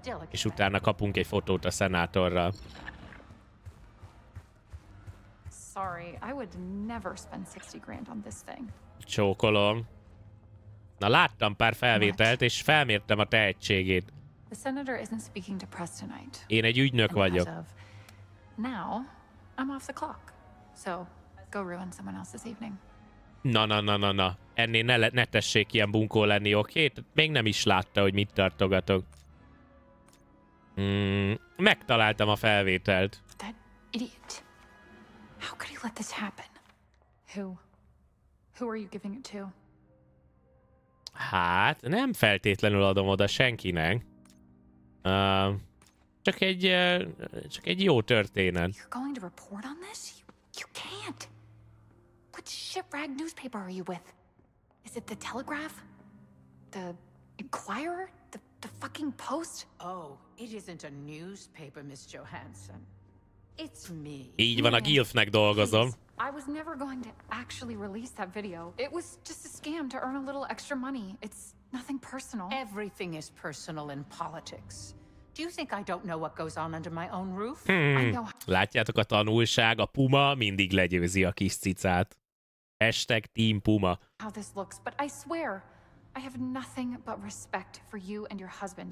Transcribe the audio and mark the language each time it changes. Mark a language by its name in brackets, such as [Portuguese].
[Hungarian] És utána kapunk egy fotót a szenátorral. [English] Sorry, I would never spend 60 grand on this thing. [Hungarian] Csókolom. Na láttam pár felvételt, és felmértem a tehetségét. [English] The senator isn't speaking to press tonight. [Hungarian] Én egy ügynök vagyok. [English] Now, I'm off the clock. So, go ruin someone else's evening. [Hungarian] Na. Ennél ne tessék ilyen bunkó lenni, oké? [English] Okay? [Hungarian] Még nem is látta, hogy mit tartogatok. Megtaláltam a felvételt. [English] That idiot. How could he let this happen? Who are you giving it to? [Hungarian] Hát, nem feltétlenül adom oda senkinek. Csak egy jó történet. [English] You're going to report on this? You can't. What shit rag newspaper are you with? Is it the Telegraph? The Inquirer? The fucking Post? Oh, it isn't a newspaper, Miss Johansson. It's me. [Hungarian] Így van, a Gilfnek dolgozom. [English] I was never going to actually release that video. It was just a scam to earn a little extra money. It's nothing personal. Everything is personal in politics. Do you think I don't know what goes on under my own roof? [Hungarian] Látjátok a tanulság, a puma mindig legyőzi a kis cicát. [English] Hashtag Team Puma. How this looks, but I swear, I have nothing but respect for you and your husband.